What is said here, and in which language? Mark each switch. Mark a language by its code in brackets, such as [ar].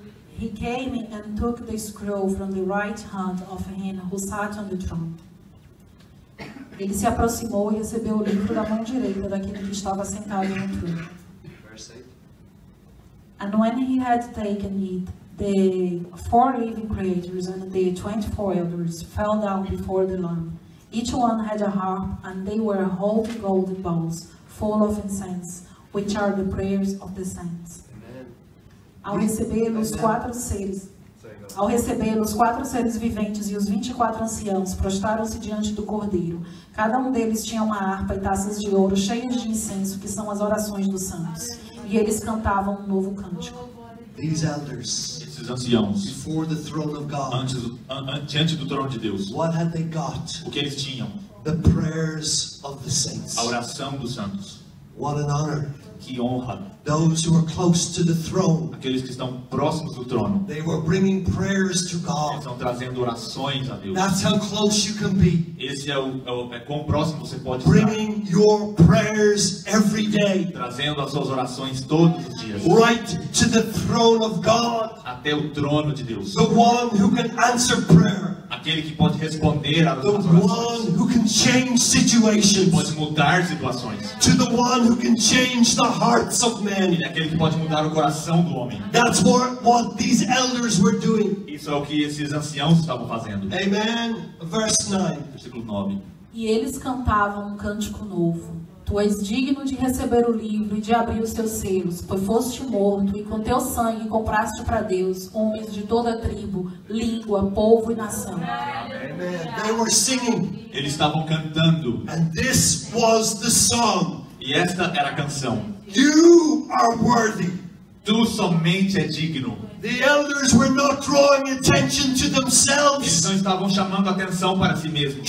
[en] He came and took the scroll from the right hand of him who sat on the throne. [pt] Ele se aproximou e recebeu o livro da mão direita daquele que estava sentado no trono. [en] Verse 8. And when he had taken it, the four living creatures and the 24 elders fell down before the Lamb. Each one had a harp, and they were holding golden bowls full of incense, which are the prayers of the saints. [pt] Ao recebê-los, quatro seres viventes e os 24 anciãos prostaram-se diante do Cordeiro. Cada um deles tinha uma harpa e taças de ouro cheias de incenso, que são as orações dos santos. E eles cantavam um novo cântico. [en] These elders, [pt] esses anciãos, [en] before the throne of God, [pt] diante do trono de Deus, [en] what had they got? [pt] O que eles tinham? [en] The prayers of the saints. [pt] A oração dos santos. [en] What an honor. [pt] Que honra. [en] Those who are close to the throne. [pt] Aqueles que estão próximos do trono. [en] They were bringing prayers to God. [pt] Eles estão trazendo orações a Deus. [en] That's how close you can be. [pt] Esse é quão próximo você pode [en] bringing Bringing your prayers every day. [pt] Trazendo as suas orações todos os dias. [en] Right to the throne of God. [pt] Até o trono de Deus. [en] The one who can answer prayer. [pt] Aquele que pode responder às orações. [en] The one who can change situations. [pt] Que pode mudar situações. [en] To the one who can change the hearts of men. [pt] E aquele que pode mudar o coração do homem. [en] That's what these elders were doing. [pt] Isso é o que esses anciãos estavam fazendo. [en] Amen. Verse 9. [pt] Versículo 9. E eles cantavam um cântico novo. Tu és digno de receber o livro e de abrir os teus selos, pois foste morto e com teu sangue compraste para Deus homens de toda tribo, língua, povo e nação. [en] They were singing. [pt] Eles estavam cantando. [en] And this was the song. [pt] E esta era a canção. [en] You are worthy. [pt] Tu somente é digno. [en] The elders were not drawing attention to themselves. [pt] Eles não estavam chamando atenção para si mesmos.